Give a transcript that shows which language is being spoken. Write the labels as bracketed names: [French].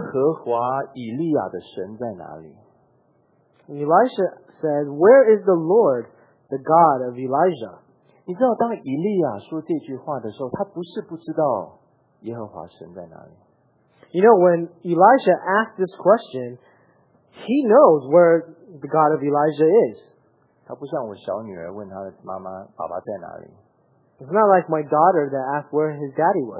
[Chinese] 以利亚说：“耶和华以利亚的神在哪里？” [English] Elisha said, "Where is the Lord, the God of Elijah?" [Chinese] 你知道，当以利亚说这句话的时候，他不是不知道耶和华神在哪里。 [English] You know, when Elisha asked this question, he knows where the God of Elijah is. [Chinese] 他不像我小女儿问她的妈妈，爸爸在哪里？ [English] It's not like my daughter that asked where his daddy was.